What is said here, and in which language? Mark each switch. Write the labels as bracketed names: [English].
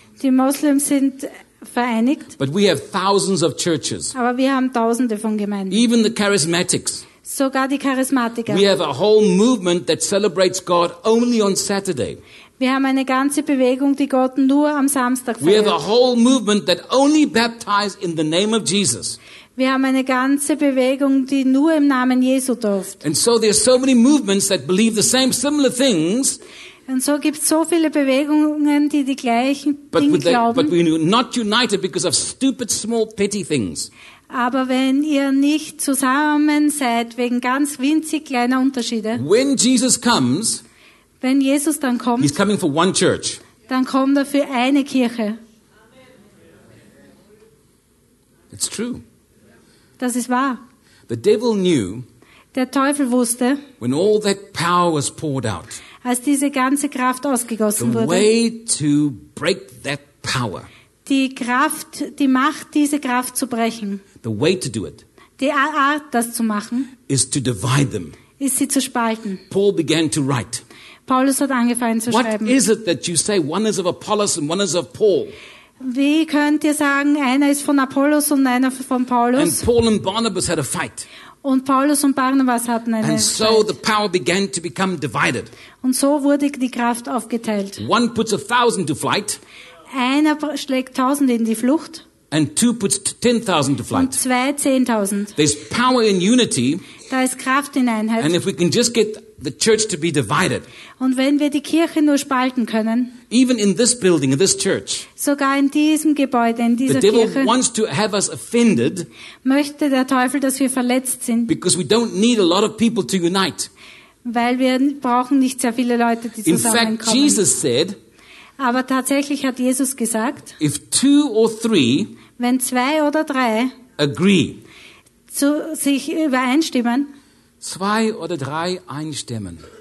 [German] Die Moslems sind vereinigt. [English] But we have thousands of churches. [German] Aber wir haben Tausende von Gemeinden. [English] Even the Charismatics. [German] Sogar die Charismatiker. [English] We have a whole movement that celebrates God only on Saturday. [German] Wir haben eine ganze Bewegung, die Gott nur am Samstag feiert. [English] We have a whole movement that only baptizes in the name of Jesus. [German] Wir haben eine ganze Bewegung, die nur im Namen Jesu durft. [English] And so there are so many movements that believe the same similar things. [German] Und so gibt's so viele Bewegungen, die die gleichen Dinge glauben. [English] But we're not united because of stupid, small, petty things. [German] Aber wenn ihr nicht zusammen seid wegen ganz winzig kleiner Unterschiede. [English] When Jesus comes, [German] wenn Jesus dann kommt, [English] he's coming for one church. [German] Dann kommt er für eine Kirche. [English] It's true. [German] Das ist wahr. [English] The devil knew, [German] der Teufel wusste, [English] when all that power was poured out, [German] als diese ganze Kraft ausgegossen [English] the [German] wurde, [English] way to break that power, [German] die Kraft, die Macht, diese Kraft zu brechen, [English] the way to do it, [German] die Art, das zu machen, [English] is to divide them, [German] ist sie zu spalten. [English] Paul began to write. [German] Paulus hat angefangen zu [English] what [German] schreiben. [English] What is it that you say one is of Apollos and one is of Paul? [German] Wie könnt ihr sagen, einer ist von Apollos und einer von Paulus? [English] And Paul and Barnabas had a fight. [German] Und Paulus und Barnabas hatten eine [English] and so the power began to become divided. [German] Und so wurde die Kraft aufgeteilt. [English] One puts 1,000 to flight. [German] Einer schlägt 1,000 in die Flucht. [English] And two puts 10,000 to flight. [German] Und zwei 10,000. [English] There's power in unity. [German] Da ist Kraft in Einheit. [English] And if we can just get the church to be divided. [German] Und wenn wir die Kirche nur spalten können. [English] Even in this building, in this church. [German] Sogar in diesem Gebäude, in dieser [English] the devil [German] Kirche. [English] Wants to have us offended. [German] Möchte der Teufel, dass wir verletzt sind. [English] Because we don't need a lot of people to unite. [German] Weil wir brauchen nicht sehr viele Leute, die zusammenkommen. [English] In fact, Jesus said. [German] Aber tatsächlich hat Jesus gesagt. [English] If two or three. [German] Wenn zwei oder drei. [English] Agree. [German] zu sich übereinstimmen. Zwei oder drei einstimmen.